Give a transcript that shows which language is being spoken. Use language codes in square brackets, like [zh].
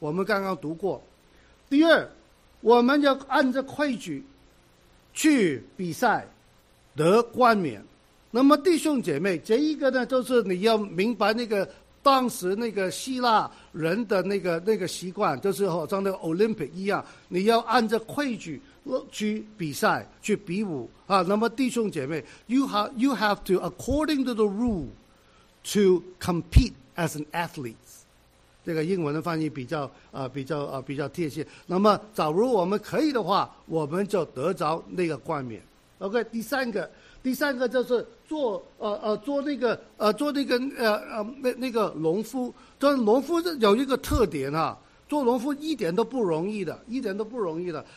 [zh] 我们刚刚读过。第二，我们要按照规矩去比赛，得冠冕。那么弟兄姐妹，这一个呢，就是你要明白那个当时那个希腊人的那个习惯，就是好像那个 Olympic 一样，你要按照规矩。去比赛，去比武啊！那么弟兄姐妹 [en] ，you have to according to the rule to compete as an athlete。 [zh] 这个英文的翻译比较贴切。那么，假如我们可以的话，我们就得着那个冠冕。 OK， 第三个就是做那个农夫。做农夫有一个特点啊。做农夫一点都不容易的，一点都不容易的。